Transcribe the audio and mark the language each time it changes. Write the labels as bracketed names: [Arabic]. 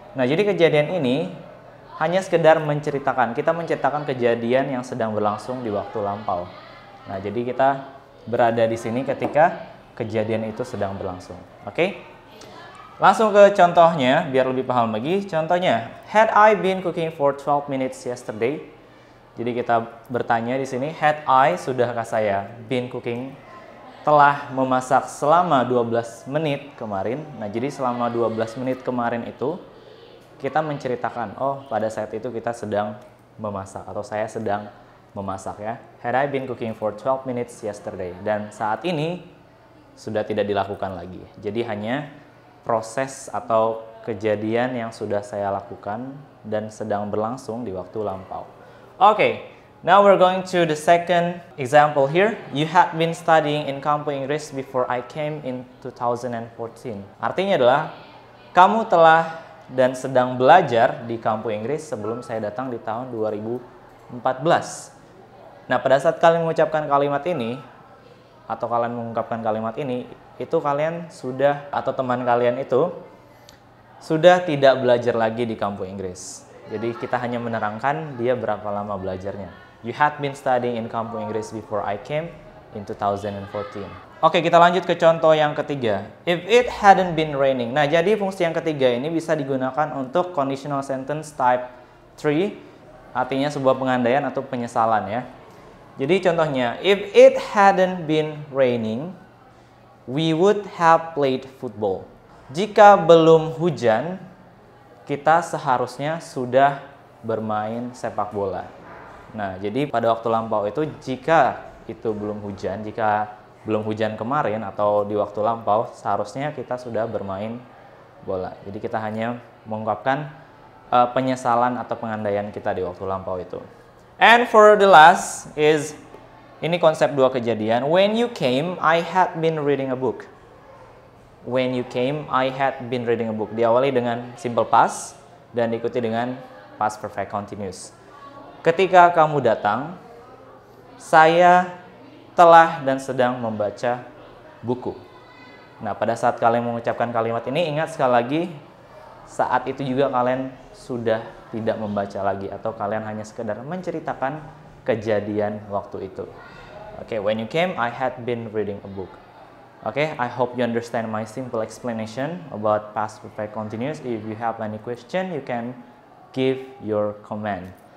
[Indonesian] Nah, jadi kejadian ini hanya sekedar menceritakan. Kita menceritakan kejadian yang sedang berlangsung di waktu lampau. Nah, jadi kita berada di sini ketika kejadian itu sedang berlangsung. Oke? Okay? Langsung ke contohnya, biar lebih paham lagi. Contohnya, [English] had I been cooking for 12 minutes yesterday? [Indonesian] Jadi kita bertanya di sini, [English] had I, [Indonesian] sudahkah saya [English] been cooking, [Indonesian] telah memasak selama 12 menit kemarin? Nah, jadi selama 12 menit kemarin itu, kita menceritakan, oh, pada saat itu kita sedang memasak, atau saya sedang memasak ya. [English] Had I been cooking for 12 minutes yesterday? [Indonesian] Dan saat ini, sudah tidak dilakukan lagi. Jadi hanya proses atau kejadian yang sudah saya lakukan dan sedang berlangsung di waktu lampau. [English] Okay, now we're going to the second example here. You had been studying in Kampung Inggris before I came in 2014. [Indonesian] Artinya adalah, kamu telah dan sedang belajar di Kampung Inggris sebelum saya datang di tahun 2014. Nah, pada saat kalian mengucapkan kalimat ini, atau kalian mengungkapkan kalimat ini, itu kalian sudah, atau teman kalian itu sudah tidak belajar lagi di Kampung Inggris. Jadi kita hanya menerangkan dia berapa lama belajarnya. [English] You had been studying in Kampung Inggris before I came in 2014. [Indonesian] Oke, kita lanjut ke contoh yang ketiga. [English] If it hadn't been raining. [Indonesian] Nah, jadi fungsi yang ketiga ini bisa digunakan untuk conditional sentence type 3. Artinya sebuah pengandaian atau penyesalan ya. Jadi contohnya, [English] if it hadn't been raining, we would have played football. [Indonesian] Jika belum hujan, kita seharusnya sudah bermain sepak bola. Nah, jadi pada waktu lampau itu, jika itu belum hujan, jika belum hujan kemarin atau di waktu lampau, seharusnya kita sudah bermain bola. Jadi kita hanya mengungkapkan penyesalan atau pengandaian kita di waktu lampau itu. [English] And for the last is, [Indonesian] ini konsep dua kejadian. [English] When you came, I had been reading a book. When you came, I had been reading a book. [Indonesian] Diawali dengan simple past dan diikuti dengan past perfect continuous. Ketika kamu datang, saya telah dan sedang membaca buku. Nah, pada saat kalian mengucapkan kalimat ini, ingat sekali lagi, saat itu juga kalian sudah tidak membaca lagi, atau kalian hanya sekedar menceritakan kejadian waktu itu. [English] Okay, when you came, I had been reading a book. Okay, I hope you understand my simple explanation about past perfect continuous. If you have any question, you can give your comment.